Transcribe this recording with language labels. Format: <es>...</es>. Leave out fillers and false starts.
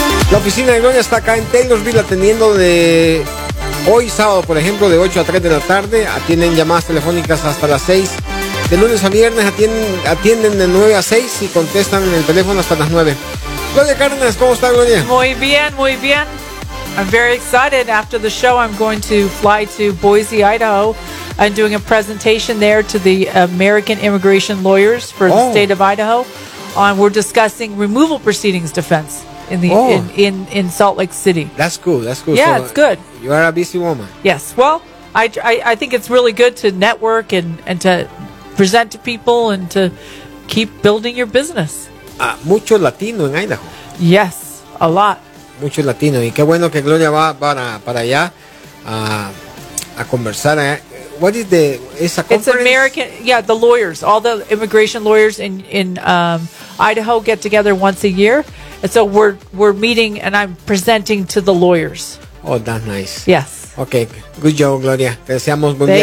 <es>La oficina de Gloria está acá en Taylorsville atendiendo de hoy sábado, por ejemplo, de 8 a 3 de la tarde. Atienden llamadas telefónicas hasta las 6. De lunes a viernes atienden de 9 a 6 y contestan en el teléfono hasta las 9. Gloria Cárdenas, ¿cómo está, Gloria? Muy bien.</es> <en>I'm very excited. After the show, I'm going to fly to Boise, Idaho. I'm doing a presentation there to the American Immigration Lawyers for the state of Idaho. We're discussing removal proceedings defense in Salt Lake City. That's cool. Yeah, so it's good. You are a busy woman. Yes. Well, I think it's really good to network and to present to people and to keep building your business.</en> <es>Mucho Latino en Idaho.</es> <en>Yes, a lot.</en> <es>Mucho Latino. Y qué bueno que Gloria va para allá a conversar.</es> <en>What is the is a conference? It's American, yeah, the lawyers, all the immigration lawyers in Idaho get together once a year. And so we're meeting and I'm presenting to the lawyers. Oh, that's nice. Yes. Okay, good job, Gloria.</en> <es>Te deseamos buen</es>